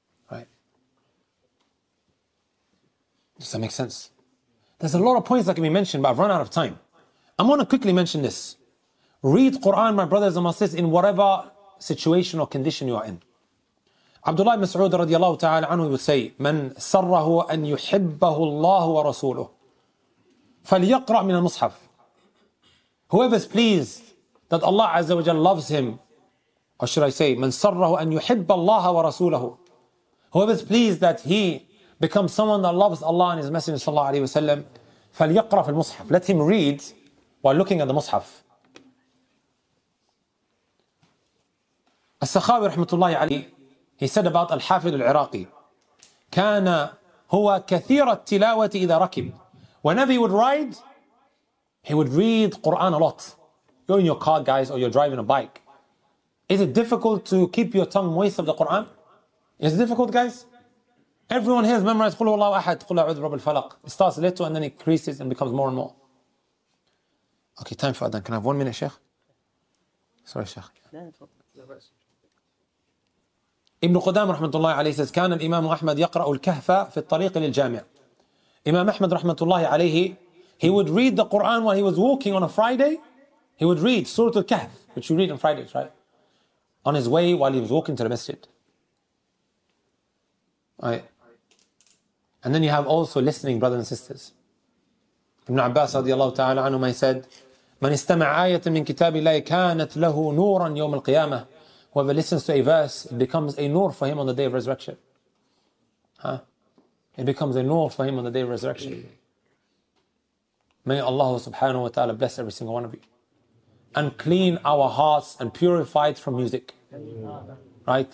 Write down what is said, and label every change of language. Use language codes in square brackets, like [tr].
[en] Right? Does that make sense? There's a lot of points that can be mentioned, but I've run out of time. I'm going to quickly mention this. Read Quran, my brothers and my sisters, in whatever situation or condition you are in. Abdullah ibn Mas'ud radiallahu ta'ala anhu would say, [ar] من سره أن يحبه الله ورسوله فليقرأ من المصحف. [en] Whoever is pleased that Allah Azza wa Jal loves him, or should I say, [ar] من سره أن يحب الله ورسوله, [en] whoever is pleased that he becomes someone that loves Allah and his Messenger sallallahu alayhi wa sallam, [ar] فليقرأ في المصحف. [en] Let him read while looking at the Mus'haf. As-Sakhawi rahmatullahi alayhi, he said about Al-Hafid Al-Iraqi, [ar] كان هو كثير التلاوة إذا ركب. [en] Whenever he would ride, he would read Quran a lot. You're in your car, guys, or you're driving a bike. Is it difficult to keep your tongue moist of the Quran? Is it difficult, guys? Everyone here has memorized [ar] قُلْ هُوَ اللَّهُ أَحَدْ قُلْ أَعُوذُ بِرَبِّ الْفَلَقِ. [en] It starts little and then it increases and becomes more and more. Okay, time for Adhan. Can I have 1 minute, Sheikh? Sorry, Sheikh. Ibn Qudam rahmatullahi alayhi says, [ar] كان الإمام أحمد يقرأ الكهف في الطريق للجامع. [en] Imam Ahmad rahmatullahi alayhi, he would read the Quran while he was walking on a Friday. He would read Surah Al-Kahf, which you read on Fridays, right? On his way while he was walking to the masjid. Right. And then you have also listening, brothers and sisters. Ibn Abbas radiallahu ta'ala anhu, he said, [ar] من استمع آية من كتاب الله كانت له نورا يوم القيامة. [en] Whoever listens to a verse, it becomes a nur for him on the day of resurrection. Huh? It becomes a nur for him on the day of resurrection. May Allah subhanahu wa ta'ala bless every single one of you. And clean our hearts and purify it from music. Right?